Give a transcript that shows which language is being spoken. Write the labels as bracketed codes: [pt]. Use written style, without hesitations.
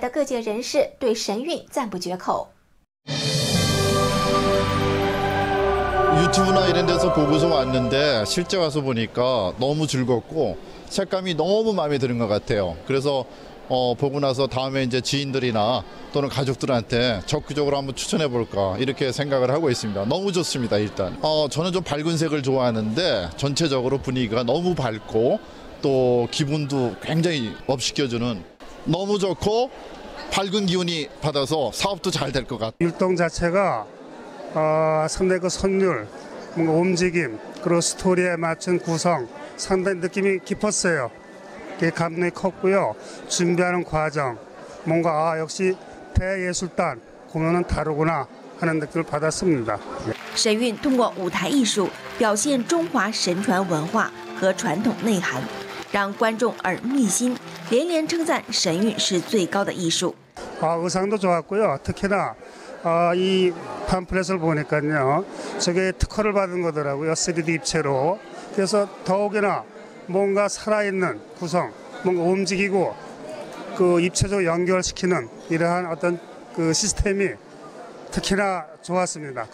[zh] 3月20号，神韵世界艺术团在韩国水源市金鸡道文化殿堂进行了第三场演出。神韵世界第一秀的顶级口碑早已在韩国各界广为流传，现场座无虚席，慕名前来的各界人士对神韵赞不绝口。 [ko] 유튜브나 이런 데서 보고서 왔는데 실제 와서 보니까 너무 즐겁고 색감이 너무 마음에 드는 것 같아요. 그래서 보고 나서 다음에 이제 지인들이나 또는 가족들한테 적극적으로 한번 추천해 볼까 이렇게 생각을 하고 있습니다. 너무 좋습니다. 일단 저는 좀 밝은 색을 좋아하는데 전체적으로 분위기가 너무 밝고 또 기분도 굉장히 업시켜주는, 너무 좋고 밝은 기운이 받아서 사업도 잘 될 것 같아요. 율동 자체가 상대 그 선율, 뭔가 움직임, 그리고 스토리에 맞춘 구성, 상당히 느낌이 깊었어요. 되게 감동이 컸고요. 준비하는 과정, 뭔가 아, 역시 대예술단 공연은 다르구나 하는 느낌을 받았습니다. [zh] 神韵通过舞台艺术表现中华神传文化和传统内涵，让观众耳目一新，连连称赞神韵是最高的艺术。 [ko] 의상도 좋았고요. 특히나 이 팜플렛을 보니까요, 저게 특허를 받은 거더라고요. 3D 입체로. 그래서 더욱이나 뭔가 살아있는 구성, 뭔가 움직이고 그 입체적으로 연결시키는 이러한 어떤 그 시스템이 특히나 좋았습니다.